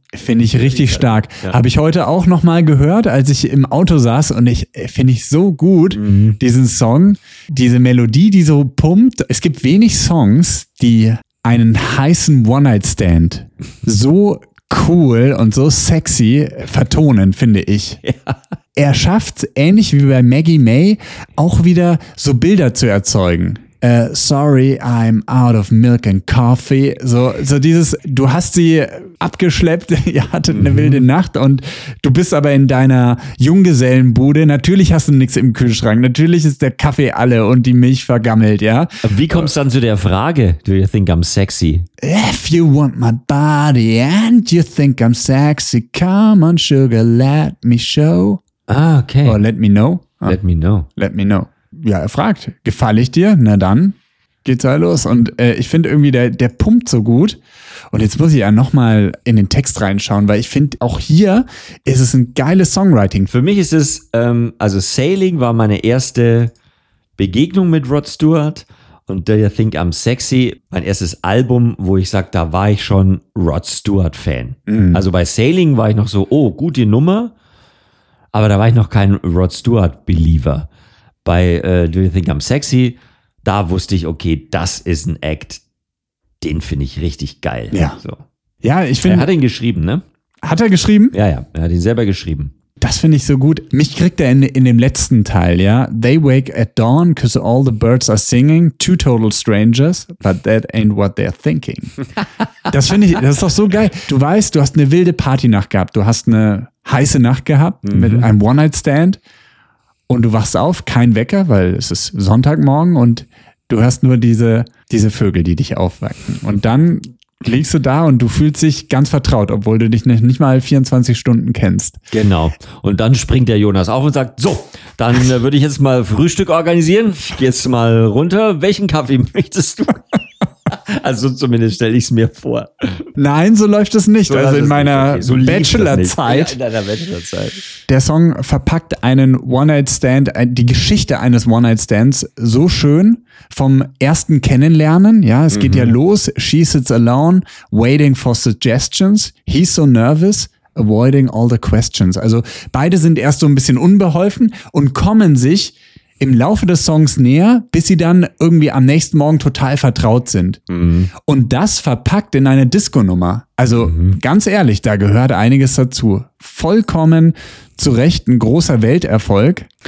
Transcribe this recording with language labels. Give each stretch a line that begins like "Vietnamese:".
German: Finde ich richtig stark. Ja. Habe ich heute auch nochmal gehört, als ich im Auto saß und ich finde ich so gut, diesen Song, diese Melodie, die so pumpt. Es gibt wenig Songs, die einen heißen One-Night-Stand so cool und so sexy vertonen, finde ich. Ja. Er schafft es, ähnlich wie bei Maggie May, auch wieder so Bilder zu erzeugen.
English: Sorry, I'm out of milk and coffee.
German: So dieses, du hast sie abgeschleppt, ihr hattet eine wilde Nacht und du bist aber in deiner Junggesellenbude. Natürlich hast du nichts im Kühlschrank. Natürlich ist der Kaffee alle und die Milch vergammelt, ja. Wie kommst du dann zu der Frage,
English: do you think I'm sexy? If you want my body and you think I'm sexy, come on sugar, let me show.
German: Ah, okay.
English: Or let me know. Let me know. Let me know.
German: Ja, er fragt, gefalle ich dir? Na dann geht's halt los. Und ich finde irgendwie, der pumpt so gut. Und jetzt muss ich ja nochmal in den Text reinschauen, weil ich finde, auch hier ist es ein geiles Songwriting. Für mich ist es, Sailing war meine erste Begegnung mit Rod Stewart. Und Do You Think I'm Sexy, mein erstes Album, wo ich sage, da war ich schon Rod Stewart-Fan. Mhm. Also bei Sailing war ich noch so, oh, gute Nummer. Aber da war ich noch kein Rod Stewart-Believer. Bei Do You Think I'm Sexy, da wusste ich, okay, das ist ein Act, den finde ich richtig geil. Ja, so. Ja, ich finde... Er hat ihn geschrieben, ne? Hat er geschrieben? Ja, ja, er hat ihn selber geschrieben. Das finde ich so gut. Mich kriegt er in dem letzten Teil, ja?
English: They wake at dawn, cause all the birds are singing, two total strangers, but that ain't what they're thinking.
German: Das finde ich, das ist doch so geil. Du weißt, du hast eine wilde Partynacht gehabt, du hast eine heiße Nacht gehabt mit einem One-Night-Stand. Und du wachst auf, kein Wecker, weil es ist Sonntagmorgen und du hörst nur diese Vögel, die dich aufwecken. Und dann liegst du da und du fühlst dich ganz vertraut, obwohl du dich nicht mal 24 Stunden kennst. Genau. Und dann springt der Jonas auf und sagt, so, dann würde ich jetzt mal Frühstück organisieren. Ich gehe jetzt mal runter. Welchen Kaffee möchtest du? Also zumindest stelle ich es mir vor. Nein, so läuft es nicht. So also in meiner nicht, okay. So Bachelorzeit. Ja, in deiner Bachelorzeit. Der Song verpackt einen One-Night-Stand, die Geschichte eines One-Night-Stands so schön vom ersten Kennenlernen. Ja, es geht ja los.
English: She sits alone, waiting for suggestions. He's so nervous, avoiding all the questions.
German: Also beide sind erst so ein bisschen unbeholfen und kommen sich im Laufe des Songs näher, bis sie dann irgendwie am nächsten Morgen total vertraut sind. Mhm. Und das verpackt in eine Disco-Nummer. Also ganz ehrlich, da gehört einiges dazu. Vollkommen zu Recht ein großer Welterfolg.